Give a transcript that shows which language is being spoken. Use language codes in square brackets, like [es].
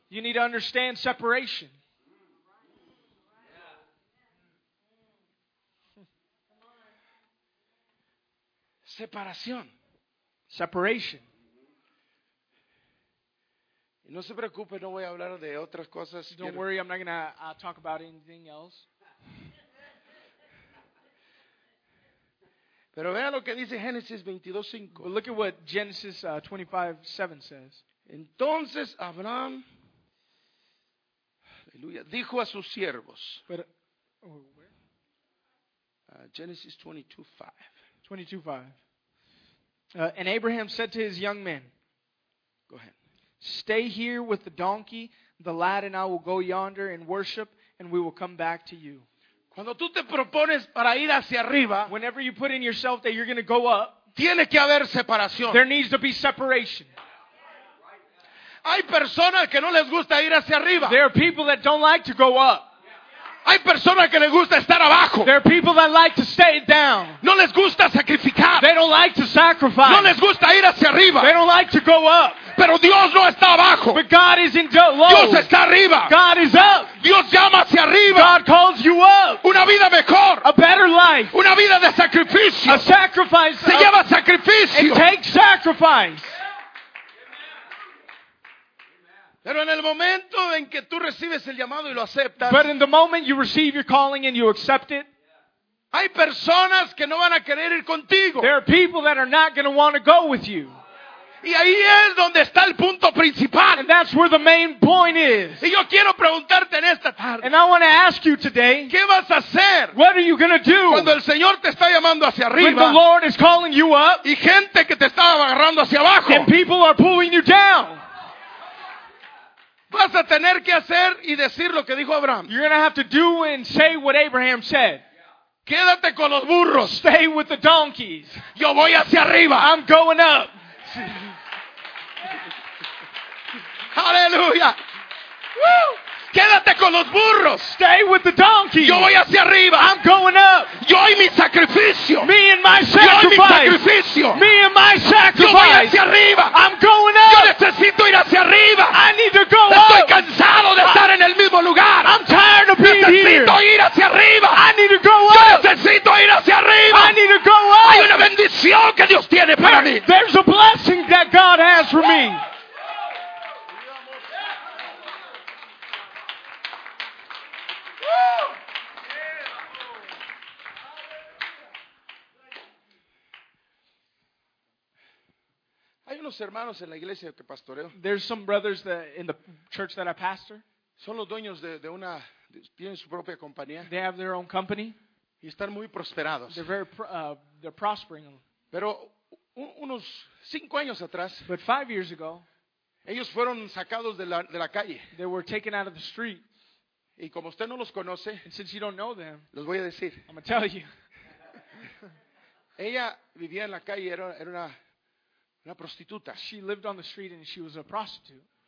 [en] You need to understand separation. [es] Separación. [en] Separation. [es] No se preocupe, no voy a hablar de otras cosas. [en] Don't [es] quiero [en] worry, I'm not going to talk about anything else. [es] Pero vea lo que dice Génesis 22:5. [en] But look at what Genesis 25:7 says. [es] Entonces Abraham, aleluya, dijo a sus siervos. [en] But, where? Genesis 22:5. And Abraham said to his young men, go ahead. Stay here with the donkey. The lad and I will go yonder and worship, and we will come back to you. [es] Cuando tú te propones para ir hacia arriba, [en] whenever you put in yourself that you're going to go up, [es] tiene que haber separación. [en] There needs to be separation. [es] Hay personas que no les gusta ir hacia arriba. [en] There are people that don't like to go up. [es] Hay personas que les gusta estar abajo. [en] There are people that like to stay down. [es] No les gusta sacrificar. [en] They don't like to sacrifice. [es] No les gusta ir hacia arriba. [en] They don't like to go up. [es] Pero Dios no está abajo. [en] But God isn't low. [es] Dios está arriba. [en] God is up. [es] Dios llama hacia arriba. [en] God calls you up. [es] Una vida mejor. [en] A better life. [es] Una vida de sacrificio. [en] A sacrifice. [es] Se lleva sacrificio. [en] It takes sacrifice. [es] Pero en el momento en que tú recibes el llamado y lo aceptas, [en] but in the moment you receive your calling and you accept it, [es] hay personas que no van a querer ir contigo. [en] There are people that are not going to want to go with you. [es] Y ahí es donde está el punto principal. [en] And that's where the main point is. [es] Y yo quiero preguntarte en esta tarde. [en] And I want to ask you today, [es] ¿qué vas a hacer? [en] What are you going to do? [es] Cuando el Señor te está llamando hacia arriba. [en] When the Lord is calling you up. [es] Y gente que te está agarrando hacia abajo. [en] And people are pulling you down. [es] Vas a tener que hacer y decir lo que dijo Abraham. [en] You're going to have to do and say what Abraham said. Yeah. [es] Quédate con los burros. [en] Stay with the donkeys. [es] Yo voy hacia arriba. [en] I'm going up. [es] Aleluya. Woo! Quédate con los burros. [en] Stay with the donkeys. [es] Yo voy hacia arriba. [en] I'm going up. [es] Yo y mi sacrificio. [en] Me and sacrifice. Me and my sacrifice. I'm going up. [es] Yo necesito ir hacia arriba. [en] I need to go [es] Estoy [en] up. [es] Estoy cansado de estar en el mismo lugar. [en] I'm tired of being [es] necesito [en] here. [es] Necesito ir hacia arriba. [en] I need to go up. [es] Yo necesito ir hacia arriba. [en] I need to go up. [es] Hay una bendición que Dios tiene para mí. [en] There's a blessing that God has for me. [es] Hermanos en la iglesia que pastoreo. [en] There's some brothers that in the church that I pastor. [es] Son los dueños de una tienen su propia compañía. [en] They have their own company. [es] Y están muy prosperados. [en] They're very they're prospering. [es] Pero unos 5 años atrás. [en] But 5 years ago, [es] ellos fueron sacados de la calle. [en] They were taken out of the street. [es] Y como usted no los conoce, [en] and since you don't know them, [es] los voy a decir. [en] I'm gonna tell you. [es] Ella vivía en la calle, era una Una prostituta. [en] She lived on the street and she was a prostitute.